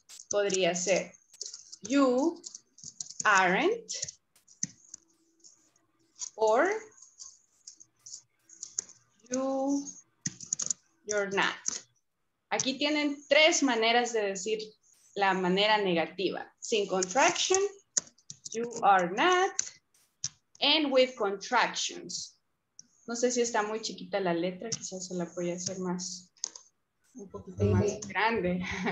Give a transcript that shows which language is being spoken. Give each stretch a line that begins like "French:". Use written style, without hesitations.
English: Podría ser, you aren't or you're not.
Spanish: Aquí tienen tres maneras de decir la manera negativa.
English: Sin contraction, you are not, and with contractions.
Spanish: No sé si está muy chiquita la letra, quizás se la voy a hacer más, un poquito más grande.